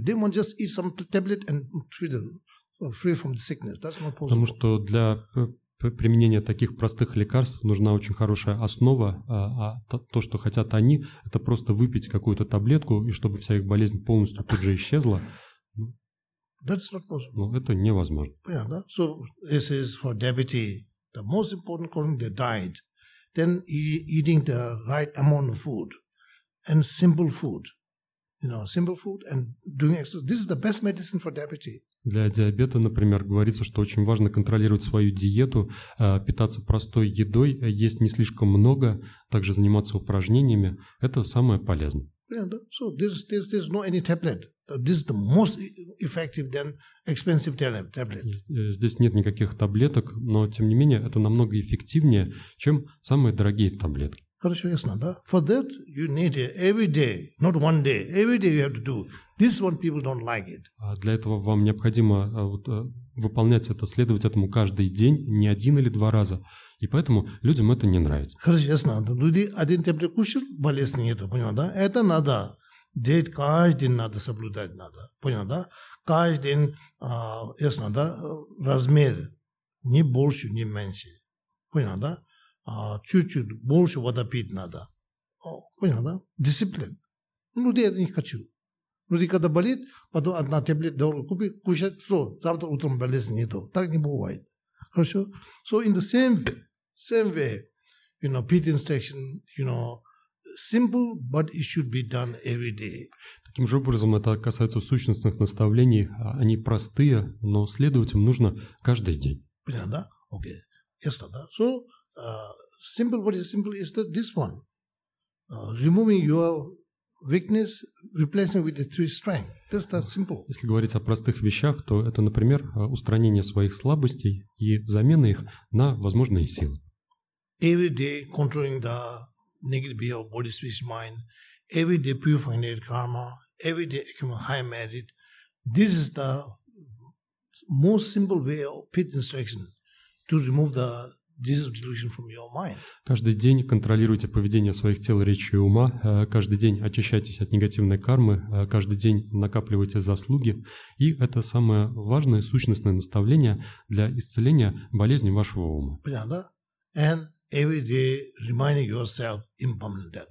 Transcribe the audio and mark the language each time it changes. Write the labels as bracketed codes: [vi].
[en] They want just eat some tablet and treat them. Free from the sickness. That's not possible. [ru] Потому что для применения таких простых лекарств нужна очень хорошая основа, а то, что хотят они, это просто выпить какую-то таблетку, и чтобы вся их болезнь полностью тут же исчезла. [en] That's not possible. [ru] Ну, это невозможно. Понятно, да? [en] So this is for diabetes. The most important thing, the diet. Then eating the right amount of food and simple food. You know, simple food and doing exercise. This is the best medicine for diabetes. [ru] Для диабета, например, говорится, что очень важно контролировать свою диету, питаться простой едой, есть не слишком много, также заниматься упражнениями. Это самое полезное. [en] Yeah, so there's no any tablet. This is the most effective than expensive tablet. [ru] Здесь нет никаких таблеток, но тем не менее это намного эффективнее, чем самые дорогие таблетки. Хорошо, ясно, да? [en] For that you need it every day, not one day. Every day you have to do. This one people don't like it. [ru] Для этого вам необходимо выполнять это, следовать этому каждый день, не один или два раза. И поэтому людям это не нравится. Хорошо, ясно. Люди один таблет кушают, болезни нету, понял, да? Это надо. Деть каждый день надо соблюдать, надо. Понял, да? Каждый день, ясно, да? Размер не больше, не меньше. Понял, да? Чуть-чуть больше воды пить надо. Понял, да? Дисциплин. Люди это не хотят. Люди, когда болит, потом одна таблет дорого купит, кушает, все, завтра утром болезни нету. Так не бывает. Хорошо? [en] So in the same way, you know, pit instruction, you know, simple, but it should be done every day. [ru] Таким же образом, это касается сущностных наставлений. Они простые, но следовать им нужно каждый день. Понятно, да? Окей. Ясно, да? [en] So, simple, what is simple is that this one. Removing your weakness, replacing with the three strength. That's that simple. [ru] Если говорить о простых вещах, то это, например, устранение своих слабостей и замена их на возможные силы. [en] Every day controlling the negative behavior, body, speech, mind. Every day purifying the karma. Every day accumulating high merit. This is the most simple way of pit instruction to remove the disease delusion from your mind. [ru] Каждый день контролируйте поведение своих тел, речи и ума. Каждый день очищайтесь от негативной кармы. Каждый день накапливайте заслуги. И это самое важное сущностное наставление для исцеления болезни вашего ума. Понятно, да? [en] And every day reminding yourself impermanent death.